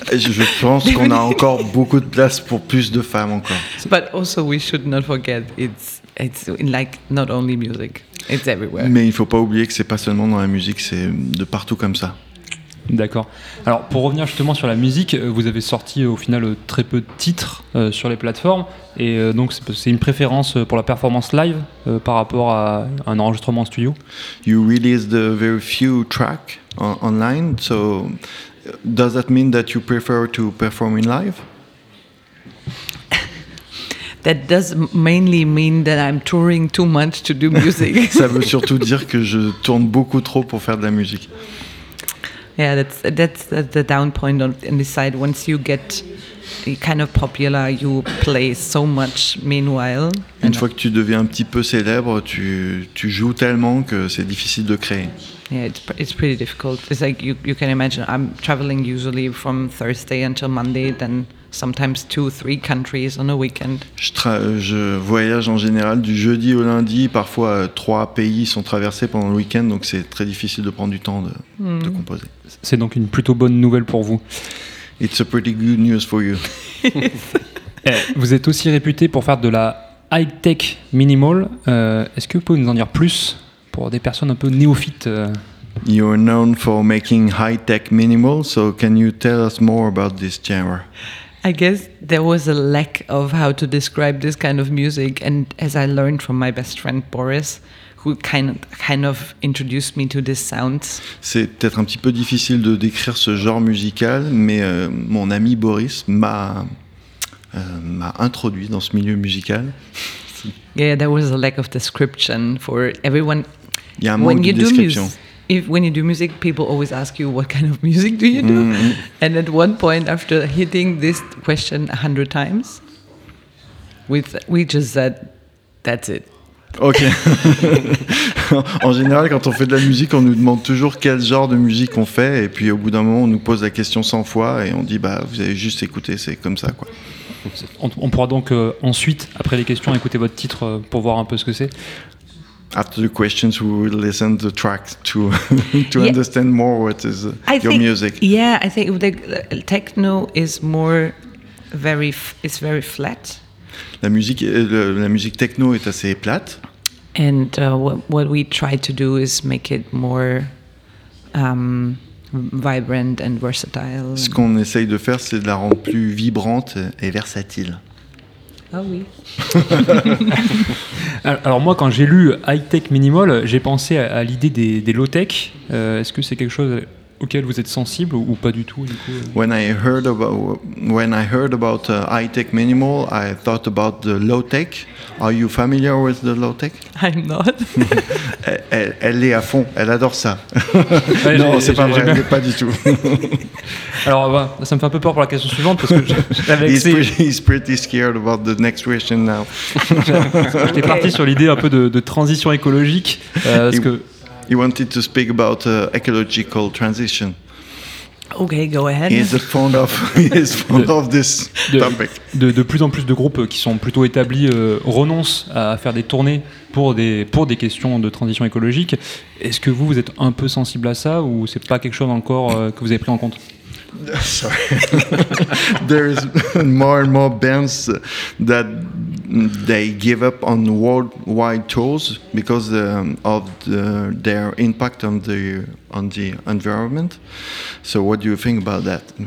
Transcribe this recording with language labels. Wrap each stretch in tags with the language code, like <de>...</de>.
<fr>Je pense qu'on a encore beaucoup de place pour plus de femmes encore.</fr> <en>But also, we should not forget it's like not only music. It's everywhere.</en> <fr>Mais il ne faut pas oublier que ce n'est pas seulement dans la musique, c'est de partout comme ça. D'accord. Alors, pour revenir justement sur la musique, vous avez sorti au final très peu de titres sur les plateformes. Et donc, c'est une préférence pour la performance live par rapport à un enregistrement en studio.</fr> <en>You released a very few tracks online. So, does that mean that you prefer to perform in live? That does mainly mean that I'm touring too much to do music.</en> <fr>Ça veut surtout dire que je tourne beaucoup trop pour faire de la musique.</fr> <en>Yeah, that's the down point on this side. Once you get kind of popular, you play so much meanwhile.</en> <fr>Une fois que tu deviens un petit peu célèbre, tu joues tellement que c'est difficile de créer.</fr> <en>Yeah, it's pretty difficult. It's like you can imagine, I'm traveling usually from Thursday until Monday, then sometimes 2-3 countries on a weekend.</en> <fr>Je voyage en général du jeudi au lundi, parfois 3 pays sont traversés pendant le week-end, donc c'est très difficile de prendre du temps de composer. C'est donc une plutôt bonne nouvelle pour vous.</fr> <en>It's a pretty good news for you.</en> <fr>Vous êtes aussi réputé pour faire de la high-tech minimal. Est-ce que vous pouvez nous en dire plus pour des personnes un peu néophytes?</fr> <en>You are known for making high-tech minimal, so can you tell us more about this genre? I guess there was a lack of how to describe this kind of music, and as I learned from my best friend Boris, who kind of introduced me to this sound.</en> <fr>C'est peut-être un petit peu difficile de décrire ce genre musical, mais mon ami Boris m'a introduit dans ce milieu musical.</fr> <en>Yeah, there was a lack of description for everyone.</en> <fr>Il y a un manque de description.</fr> <en>If when you do music, people always ask you what kind of music do you do, and at one point after hitting this question 100 times, we just said, that's it. Okay.</en> <fr>En général, quand on fait de la musique, on nous demande toujours quel genre de musique on fait, et puis au bout d'un moment, on nous pose la question 100 fois, et on dit, bah, vous avez juste écouté, c'est comme ça, quoi. On pourra donc ensuite, après les questions, écouter votre titre pour voir un peu ce que c'est.</fr> <en>After the questions, we will listen to the track to yeah. understand more what is your music. Yeah, I think the techno is more very it's very flat.</en> <fr>La musique techno est assez plate.</fr> <en>And what we try to do is make it more vibrant and versatile.</en> <fr>Ce qu'on essaye de faire, c'est de la rendre plus vibrante et versatile. Ah oui. Alors moi, quand j'ai lu high-tech minimal, j'ai pensé à l'idée des low-tech. Est-ce que c'est quelque chose auquel vous êtes sensible ou pas du tout, du coup?</fr> <en>When I heard about high-tech minimal, I thought about the low-tech. Are you familiar with the low-tech? I'm not.</en> <fr>elle est à fond. Elle adore ça. Ouais, non, c'est pas vrai. Mais pas du tout. Alors, bah, ça me fait un peu peur pour la question suivante parce que j'avais accès.</fr> <en>He's pretty scared about the next question now.</en> <fr>J'étais parti sur l'idée un peu de transition écologique.</fr> <en>He wanted to speak about ecological transition. Okay, go ahead. He is fond of this topic.</en> <fr>De plus en plus de groupes qui sont plutôt établis renoncent à faire des tournées pour des questions de transition écologique. Est-ce que vous êtes un peu sensible à ça ou c'est pas quelque chose encore que vous avez pris en compte?</fr> <en>Sorry. There is more and more bands that they give up on worldwide tours because of their impact on the environment. So what do you think about that?</en>